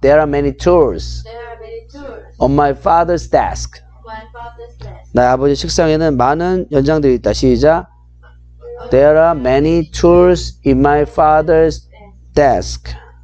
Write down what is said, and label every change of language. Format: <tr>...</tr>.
<en>There are many tools on my father's desk.</en> <ko>나의 아버지 책상에는 많은 연장들이 있다. 시작.</ko> <en>There are many tools in my father's desk.</en>